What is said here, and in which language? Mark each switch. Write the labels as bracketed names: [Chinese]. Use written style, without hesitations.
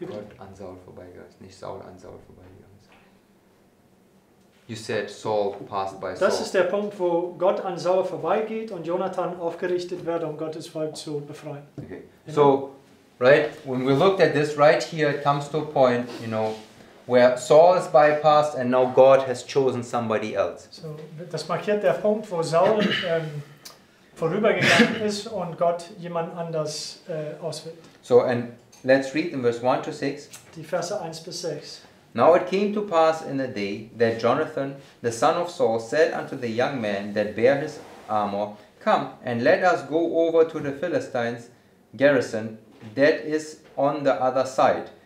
[German] Gott an Saul vorbeigegangen ist, nicht Saul an Saul vorbeigegangen ist. [English] You said Saul passed by Saul. [German] Das ist der Punkt, wo Gott an Saul vorbeigeht und Jonathan aufgerichtet wird, um Gottes Volk zu befreien. [English] Okay. So, right, when we looked at this right here, it comes to a point, you know, where Saul is bypassed and now God has chosen somebody else. [German] So, das markiert der Punkt, wo Saul vorübergegangen ist und Gott jemand anders auswählt. [English] So, and let's read in verse 1 to 6. [German] Die Verse 1 bis 6. [English] Now it came to pass in the day that Jonathan, the son of Saul, said unto the young man that bare his armor, come and let us go over to the Philistines' garrison that is on the other side.